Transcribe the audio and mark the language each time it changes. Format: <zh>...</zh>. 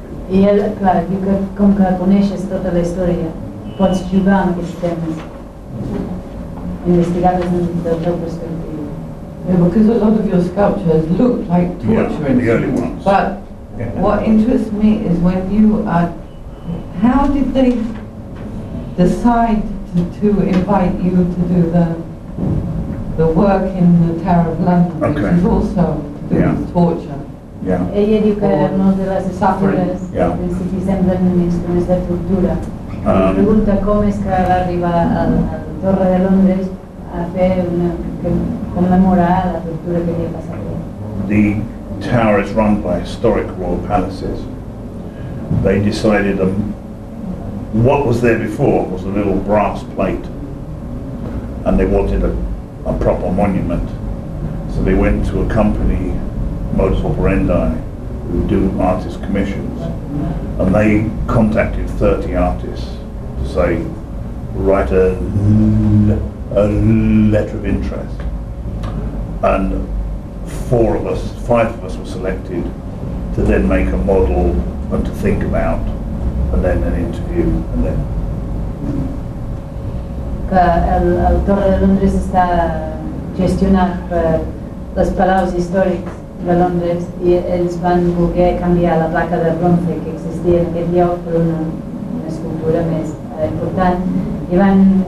<ca>I ell, clar, diu que com que coneixes tota la història, pots jugar amb aquests temes, investigar-les del teu perspectiu.</ca> <en>Yeah, because a lot of your sculptures look like torture and early ones. But what interests me is when you are, how did they decide to invite you to do the work in the Tower of London, which is also torture?</en> <ca>Ella diu que moltes de les escultures principis semblen instruments de tortura. I pregunta com és que va arribar a la Torre de Londres a fer una...</ca> <en>The tower is run by historic royal palaces. They decided what was there before was a little brass plate, and they wanted a proper monument. So they went to a company, Modus Operandi, who do artist commissions, and they contacted 30 artists to say, write a letter of interest. And five of us were selected to then make a model and to think about, and then an interview, and then.</en> <ca>Que el Torre de Londres està gestionat per les palaus històrics de Londres i ells van voler canviar la placa de bronze que existia en aquest lloc per una escultura més important i van</ca>